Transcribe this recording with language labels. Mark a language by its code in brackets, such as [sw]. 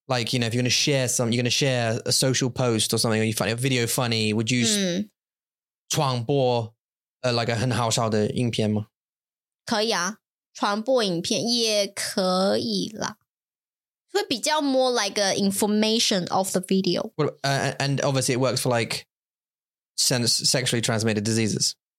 [en] Like, you know, if you're going to share something, you're going to share a social post or something, or you find a video funny, would you [zh] 传播 [en] like a [zh] 很好笑的影片吗？可以啊，传播影片也可以啦。会比较 [en] more like an information of the video. And obviously it works for like sexually transmitted diseases.